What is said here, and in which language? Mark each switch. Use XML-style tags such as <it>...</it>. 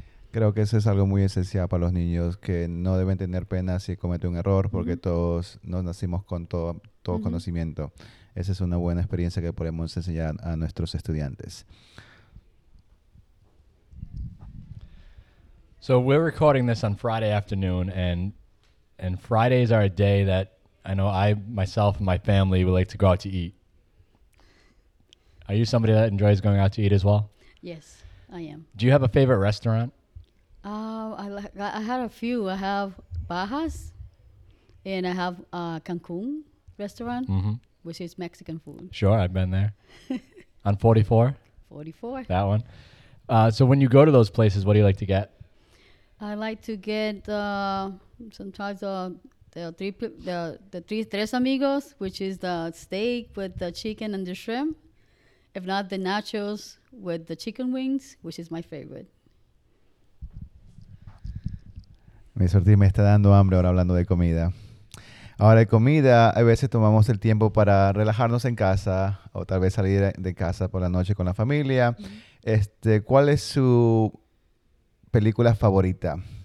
<es>Creo que eso es algo muy esencial para los niños, que no deben tener pena si cometen un error, porque uh-huh. todos nos nacimos con todo uh-huh. conocimiento. Esa es una buena experiencia que podemos enseñar a nuestros estudiantes.</es> <en>So we're recording this on Friday afternoon, and Fridays are a day that I know I, myself, and my family would like to go out to eat. Are you somebody that enjoys going out to eat as well? Yes, I am. Do you have a favorite restaurant? I had a few. I have Bajas, and I have Cancun restaurant, mm-hmm. which is Mexican food. Sure, I've been there. On 44? 44. That one. So when you go to those places, what do you like to get? I like to get sometimes the tres amigos, which is the steak with the chicken and the shrimp. If not, the nachos with the chicken wings, which is my favorite.</en> <es>Mi sorti me está dando hambre ahora hablando de comida. Ahora de comida, a veces tomamos el tiempo para relajarnos en casa o tal vez salir de casa por la noche con la familia. Mm-hmm. ¿Cuál es su película favorita?</es>